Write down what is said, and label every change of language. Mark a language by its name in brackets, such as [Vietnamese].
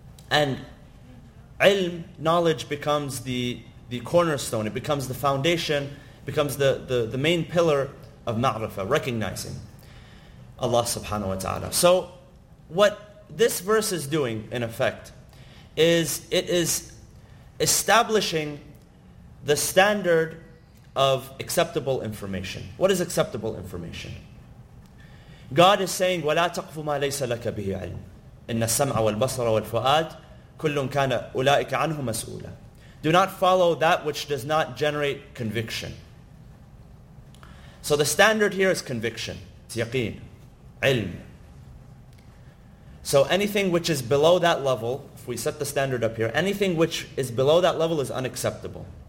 [English] And ilm, knowledge, becomes the cornerstone, it becomes the foundation, becomes the main pillar of ma'rifah, recognizing Allah subhanahu wa ta'ala. So what this verse is doing, in effect, is it is establishing the standard of acceptable information. What is acceptable information? God is saying, [Arabic] وَلَا تَقْفُ مَا لَيْسَ لَكَ بِهِ عِلْمٍ إِنَّ السَّمْعَ وَالْبَصَرَ وَالْفُؤَادِ كُلٌّ كَانَ أُولَٰئِكَ عَنْهُ مَسْؤُولًا. [English] Do not follow that which does not generate conviction. So the standard here is conviction. It's yaqeen. Ilm. So anything which is below that level, we set the standard up here, anything which is below that level is unacceptable.